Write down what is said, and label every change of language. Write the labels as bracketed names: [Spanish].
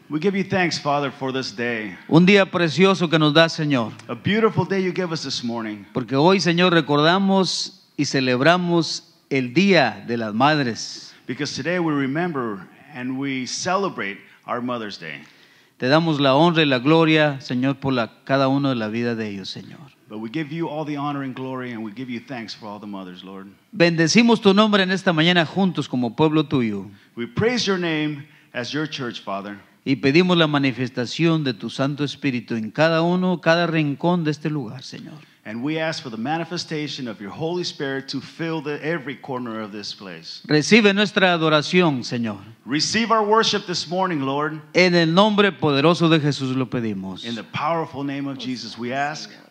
[English] We give you thanks, Father, for this day. [Spanish] Un día precioso que nos das, Señor. [English] A beautiful day you give us this morning. [Spanish] Porque hoy, Señor, recordamos y celebramos el Día de las Madres. [English] Because today we remember and we celebrate our Mother's Day. [Spanish] Te damos la honra y la gloria, Señor, por la, cada uno de la vida de ellos, Señor. [English] But we give you all the honor and glory and we give you thanks for all the mothers, Lord. [Spanish] Bendecimos tu nombre en esta mañana juntos como pueblo tuyo. [English] We praise your name as your church, Father. [Spanish] Y pedimos la manifestación de tu Santo Espíritu en cada uno, cada rincón de este lugar, Señor. [English] And we ask for the manifestation of your Holy Spirit to fill the, every corner of this place. [Spanish] Recibe nuestra adoración, Señor. [English] Receive our worship this morning, Lord. [Spanish] En el nombre poderoso de Jesús lo pedimos. [English] In the powerful name of Jesus we ask.